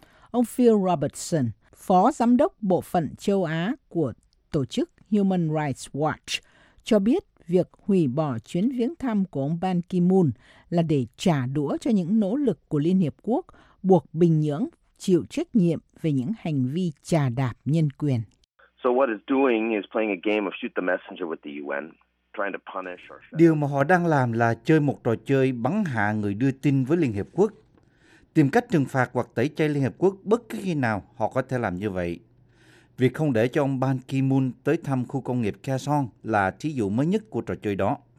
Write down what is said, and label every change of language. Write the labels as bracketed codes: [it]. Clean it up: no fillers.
[vi] Ông Phil Robertson, Phó Giám đốc Bộ phận Châu Á của tổ chức Human Rights Watch, cho biết việc hủy bỏ chuyến viếng thăm của ông Ban Ki-moon là để trả đũa cho những nỗ lực của Liên Hiệp Quốc buộc Bình Nhưỡng chịu trách nhiệm về những hành vi chà đạp nhân quyền. [en] So what it's doing is playing a game of shoot the messenger with the UN, trying to punish or... [vi] Điều mà họ đang làm là chơi một trò chơi bắn hạ người đưa tin với Liên Hiệp Quốc, tìm cách trừng phạt hoặc tẩy chay Liên Hiệp Quốc bất cứ khi nào họ có thể làm như vậy. Việc không để cho ông Ban Ki-moon tới thăm khu công nghiệp Kaesong là thí dụ mới nhất của trò chơi đó.